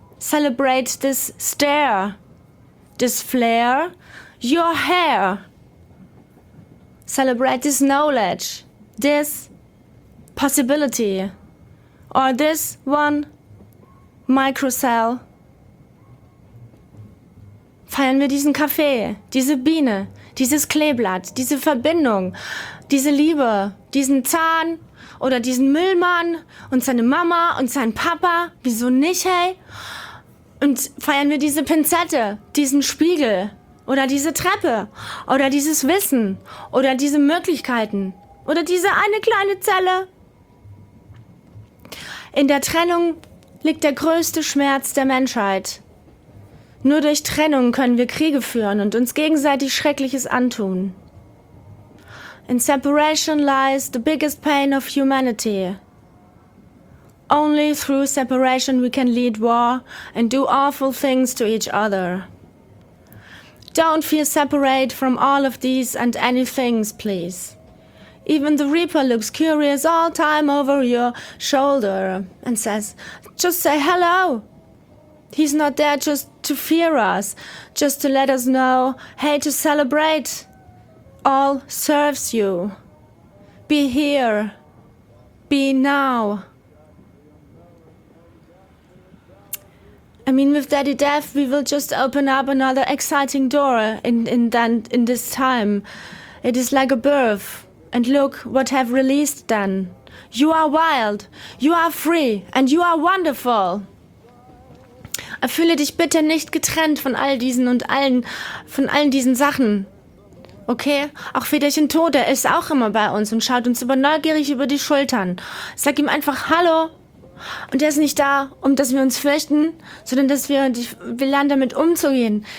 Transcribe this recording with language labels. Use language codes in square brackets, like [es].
[en] Celebrate this stare, this flare, your hair. Celebrate this knowledge, this possibility, or this one microcell. [de] Feiern wir diesen Kaffee, diese Biene, dieses Kleeblatt, diese Verbindung, diese Liebe, diesen Zahn oder diesen Müllmann und seine Mama und sein Papa. Wieso nicht, hey? Und feiern wir diese Pinzette, diesen Spiegel oder diese Treppe oder dieses Wissen oder diese Möglichkeiten oder diese eine kleine Zelle. In der Trennung liegt der größte Schmerz der Menschheit. Nur durch Trennung können wir Kriege führen und uns gegenseitig Schreckliches antun. [en] In separation lies the biggest pain of humanity. Only through separation we can lead war and do awful things to each other. Don't feel separate from all of these and any things, please. Even the Reaper looks curious all time over your shoulder and says, just say hello. He's not there just to fear us, just to let us know, hey, to celebrate. All serves you. Be here. Be now. I mean, with Daddy Death, we will just open up another exciting door in this time. It is like a birth. And look what have released then. You are wild, you are free, and you are wonderful. [de] Fühle dich bitte nicht getrennt von all diesen und allen, von allen diesen Sachen. Okay? Auch Federchen Tod, der ist auch immer bei uns und schaut uns über neugierig über die Schultern. Sag ihm einfach Hallo. Und er ist nicht da, um dass wir uns fürchten, sondern dass wir lernen damit umzugehen.